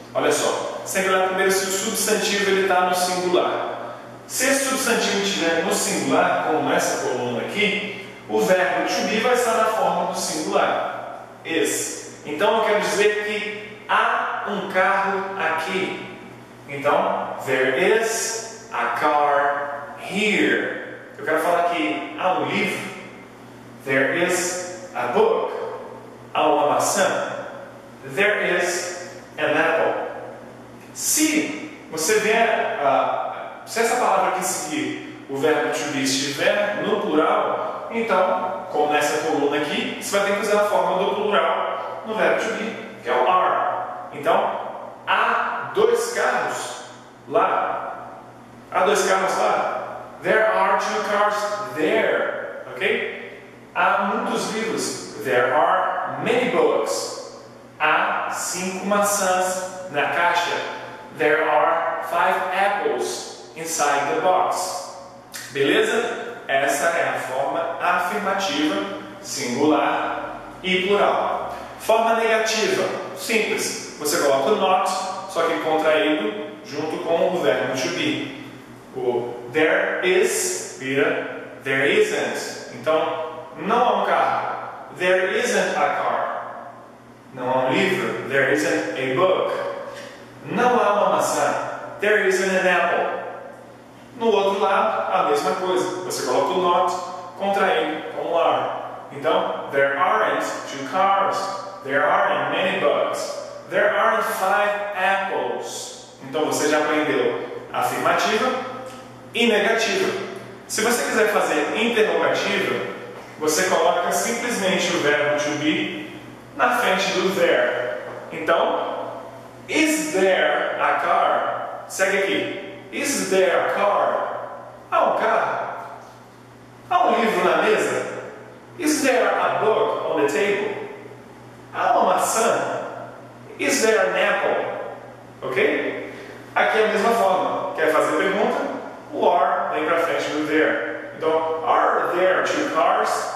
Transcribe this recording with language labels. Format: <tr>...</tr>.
<pt>Olha só, sempre lá primeiro se o substantivo está no singular. Se esse substantivo estiver no singular, como nessa coluna aqui, o verbo to be vai estar na forma do singular. Is. Então eu quero dizer que há um carro aqui.</pt> <en>Então, there is a car here.</en> <pt>Eu quero falar que há um livro.</pt> <en>There is a book.</en> <pt>Há uma maçã.</pt> <en>There is an apple.</en> <pt>Se você vier, se essa palavra aqui seguir o verbo to be estiver no plural, então, como nessa coluna aqui, você vai ter que usar a forma do plural no verbo to be, que é o are. Então, há dois carros lá. Há dois carros lá.</pt> <en>There are two cars there.</en> <pt>Ok? Há muitos livros.</pt> <en>There are many books.</en> <pt>Há cinco maçãs na caixa.</pt> <en>There are five apples inside the box.</en> <pt>Beleza? Essa é a forma afirmativa, singular e plural. Forma negativa. Simples. Você coloca o not, só que contraído, junto com o verbo to be.</pt> <en>O there is vira there isn't.</en> <pt>Então, não há um carro.</pt> <en>There isn't a car.</en> <pt>Não há um livro.</pt> <en>There isn't a book.</en> <pt>Não há uma maçã.</pt> <en>There isn't an apple.</en> <pt>No outro lado, a mesma coisa. Você coloca o not, contraído com o are.</pt> <en>Então, there aren't two cars. There aren't many books. There aren't five apples.</en> <pt>Então você já aprendeu afirmativa e negativa. Se você quiser fazer interrogativa, você coloca simplesmente o verbo to be na frente do there.</pt> <en>Então, is there a car?</en> <pt>Segue aqui.</pt> <en>Is there a car?</en> <pt>Há um carro? Há um livro na mesa?</pt> <en>Is there a book on the table?</en> <pt>Há uma maçã?</pt> <en>Is there an apple? Ok?</en> <pt>Aqui é a mesma forma. Quer fazer pergunta? O are vem para frente do there.</pt> <en>Então, are there two cars?</en>